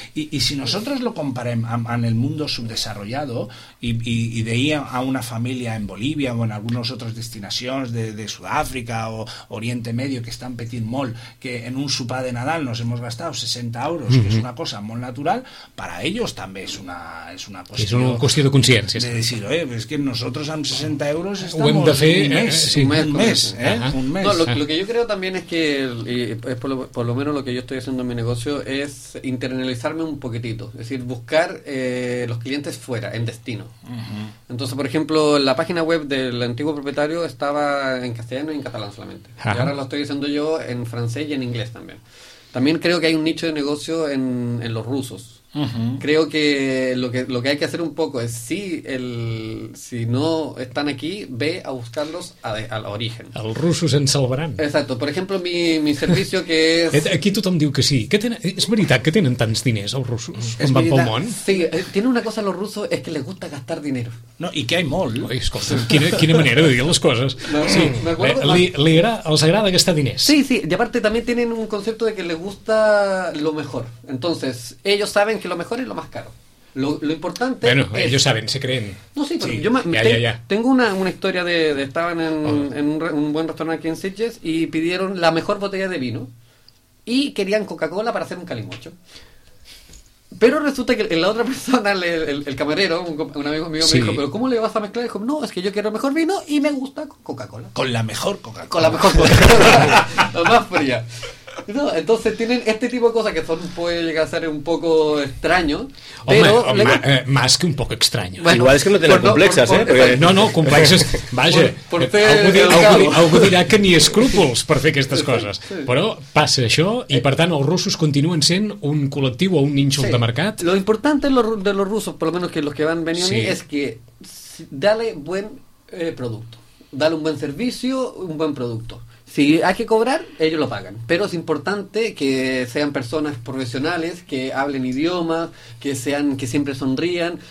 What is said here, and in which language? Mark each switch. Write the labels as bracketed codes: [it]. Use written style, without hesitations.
[ca] I si nosaltres lo comparem amb el mundo subdesarrollado i deia a una família en Bolívia o en algunes altres destinacions de Sud-àfrica o Oriente Medio que estan petint molt, que en un sopar de Nadal [es] nos hemos gastado [ca] 60 euros, mm-hmm. que és una cosa molt natural, [es] para ellos [ca] també és una qüestió. És una qüestió de consciència. De decir, és que nosaltres amb 60 euros [es] estamos, [ca] ho hem de fer un mes. [es] No, lo que yo creo también es que es por lo menos lo que yo estoy haciendo en mi negocio es internalizarme un poquitito, es decir, buscar los clientes fuera, en destino. Uh-huh. Entonces, por ejemplo, la página web del antiguo propietario estaba en castellano y en catalán solamente. Uh-huh. Y ahora lo estoy haciendo yo en francés y en inglés también. También creo que hay un nicho de negocio en los rusos. Uh-huh. Creo que lo que hay que hacer un poco es si no están aquí, ve a buscarlos al origen. [ca] Els russos ens salvaran. [es] Exacto, por ejemplo, mi servicio que es [ca] aquí tothom diu que sí. Que tenen, és veritat que tenen tants diners els russos? Com van pel món? [es] Sí, tiene una cosa los rusos es que les gusta gastar dinero. [ca] No, i que [es] hay [ca] molt. Oi, escolta, quina manera de dir les coses. No, sí, els agrada gastar diners. [es] Sí, sí, y aparte también tienen un concepto de que les gusta lo mejor. Entonces, ellos saben que lo mejor es lo más caro. Lo importante, bueno, es... ellos saben, se creen. No, sí, pero sí. Yo tengo una historia de estaban en un buen restaurante aquí en Sitges y pidieron la mejor botella de vino y querían Coca-Cola para hacer un calimocho. Pero resulta que la otra persona, el camarero, un amigo mío, sí. me dijo, ¿pero cómo le vas a mezclar? Y dijo, no, es que yo quiero el mejor vino y me gusta Coca-Cola. Con la mejor Coca-Cola. Con la mejor Coca-Cola. La más fría. No, entonces tienen este tipo de cosas que son, puede llegar a ser un poco extraño, pero más que un poco extraño. Bueno, igual es que no tienen complejas, ¿eh? No, complejas, vaya. [ca] Algú dirá que ni escrúpols per fer aquestes coses. Sí. Però passa això, i per tant els russos continuen sent un col·lectiu o un nínxol de mercat. [es] Lo importante de los rusos, por lo menos que los que van venir, es que dale buen producto. Dale un buen servicio, un buen producto. Si hay que cobrar, ellos lo pagan. Pero es importante que sean personas profesionales, que hablen idiomas, que siempre sonrían.